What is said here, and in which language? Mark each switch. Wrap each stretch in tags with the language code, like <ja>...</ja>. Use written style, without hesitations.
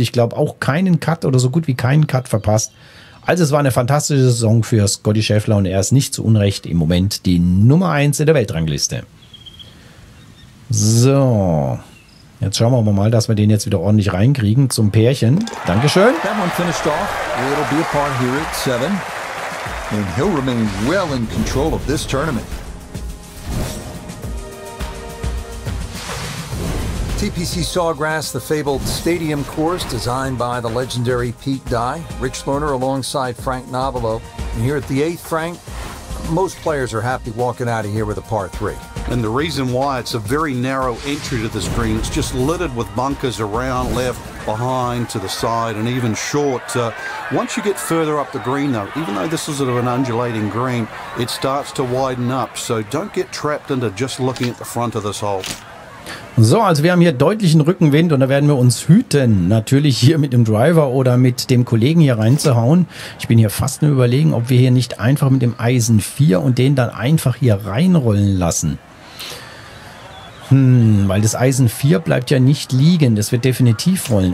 <de>Ich glaube auch keinen Cut oder so gut wie keinen Cut verpasst. Also es war eine fantastische Saison für Scotty Scheffler und er ist nicht zu Unrecht im Moment die Nummer 1 in der Weltrangliste. So, jetzt schauen wir mal, dass wir den jetzt wieder ordentlich reinkriegen zum Pärchen. Dankeschön.</de> <en>That one finished off. It'll be a par here at 7. And he'll remain well in control of this tournament. TPC Sawgrass, the fabled stadium course designed by the legendary Pete Dye. Rich Lerner alongside Frank Navolo. And here at the 8th, Frank, most players are happy walking out of here with a par 3. And the reason why, it's a very narrow entry to this green. It's just littered with bunkers around, left, behind, to the side, and even short. Once you get further up the green, though, even though this is sort of an undulating green, it starts to widen up. So don't get trapped into just looking at the front of this hole.</en> <de>So, also wir haben hier deutlichen Rückenwind und da werden wir uns hüten, natürlich hier mit dem Driver oder mit dem Kollegen hier reinzuhauen. Ich bin hier fast nur überlegen, ob wir hier nicht einfach mit dem Eisen 4 und den dann einfach hier reinrollen lassen. Weil das Eisen 4 bleibt ja nicht liegen. Das wird definitiv rollen.</de>